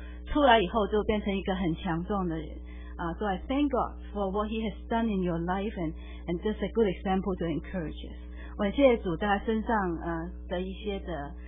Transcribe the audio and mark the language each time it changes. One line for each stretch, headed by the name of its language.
Chinese: 我很看到他有他的挣扎，可是他面对他的挣扎，他冲破他的挣扎。我看到他就出来以后就变成一个很强壮的人。
English: So I thank God for what he has done in your life, and just a good example to encourage us.
Chinese: 我很谢谢主在他身上 的一些的